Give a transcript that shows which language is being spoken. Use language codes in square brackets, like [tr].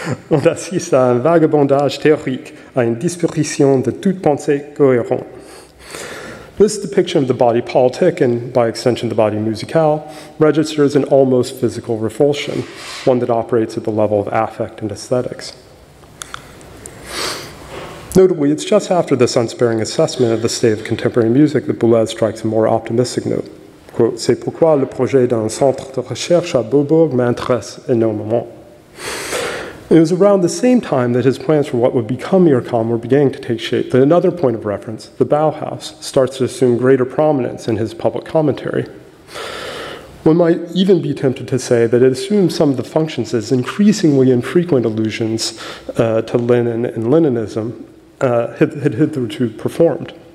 [fr] on assiste à un vagabondage théorique, à une disparition de toute pensée cohérente. [en] This depiction of the body politic, and by extension the body musicale, registers an almost physical revulsion, one that operates at the level of affect and aesthetics. Notably, it's just after this unsparing assessment of the state of contemporary music that Boulez strikes a more optimistic note. [fr] Quote, c'est pourquoi le projet d'un centre de recherche à Beaubourg m'intéresse énormément. [en] It was around the same time that his plans for what would become IRCOM were beginning to take shape that another point of reference, the Bauhaus, starts to assume greater prominence in his public commentary. One might even be tempted to say that it assumes some of the functions as increasingly infrequent allusions to Lenin and Leninism had hitherto performed.